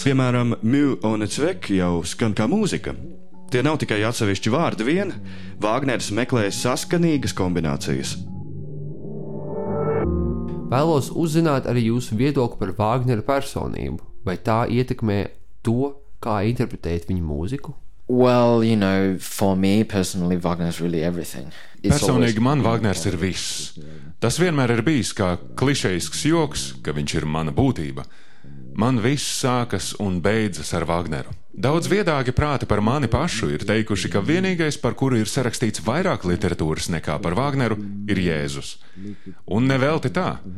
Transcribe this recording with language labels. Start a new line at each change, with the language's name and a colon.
Latvian: Piemēram, mu un cvik jau skan kā mūzika. Tie nav tikai atsevišķi vārdi vien. Vāgners meklē saskanīgas kombinācijas. Vēlos uzzināt arī jūsu viedokli par Vāgnera personību. Vai tā ietekmē to, kā interpretēt viņa mūziku?
English: Well, you know, for me personally, Wagner is really everything.
Latvian: Personīgi man Vāgners ir viss. Tas vienmēr ir bijis kā klišejisks joks, ka viņš ir mana būtība. Man viss sākas un beidzas ar Vāgneru. Daudz viedāgi prāti par mani pašu ir teikuši, ka vienīgais, par kuru ir sarakstīts vairāk literatūras nekā par Vāgneru, ir Jēzus. Un nevelti tā.